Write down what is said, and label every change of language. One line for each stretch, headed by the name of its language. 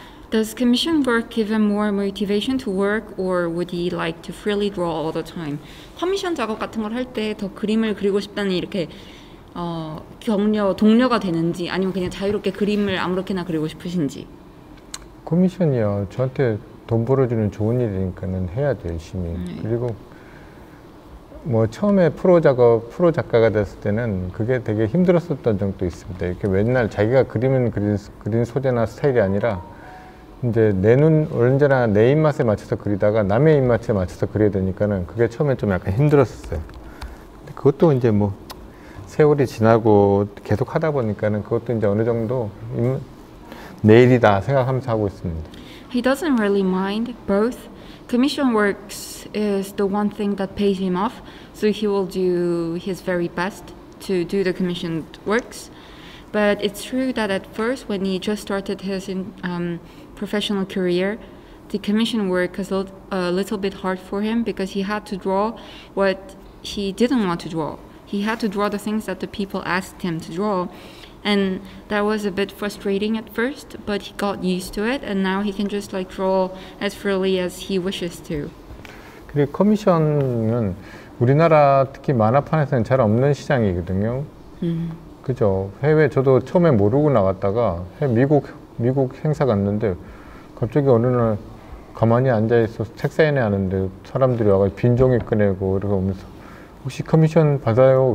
English: Does commission work give him more motivation to work, or would he like to freely draw all the time?
Korean: 커미션 작업 같은 걸 할 때 더 그림을 그리고 싶다는 이렇게 격려 동료가 되는지, 아니면 그냥 자유롭게 그림을 아무렇게나 그리고 싶으신지? 커미션이요, 저한테 돈 벌어주는 좋은 일이니까는 해야죠 열심히. 그리고 뭐 처음에 프로 작가가 됐을 때는 그게 되게 힘들었었던 적도 있습니다. 이렇게 맨날 자기가 그리면 그린 소재나 스타일이 아니라 이제 내 눈, 언제나 내 입맛에 맞춰서 그리다가 남의 입맛에 맞춰서 그려야 되니까는 그게 처음에 좀 약간 힘들었었어요. 근데 그것도 이제 뭐 세월이 지나고 계속 하다 보니까는 그것도 이제 어느 정도 내일이다 생각하면서 하고 있습니다.
English: He doesn't really mind both. Commission works is the one thing that pays him off, so he will do his very best to do the commissioned works. But it's true that at first, when he just started his professional career, the commission work was a little bit hard for him because he had to draw what he didn't want to draw. He had to draw the things that the people asked him to draw, and that was a bit frustrating at first, but he got used to it, and now he can just like draw as freely as he wishes to.
Korean: 그리고 커미션은 우리나라 특히 만화판에서는 잘 없는 시장이거든요. 그죠. 해외 저도 처음에 모르고 나갔다가 미국 행사 갔는데 갑자기 어느 날 가만히 앉아 있어 책 사인회 하는데 사람들이 와가지고 빈 종이 꺼내고 이렇게 오면서 혹시 커미션 받아요?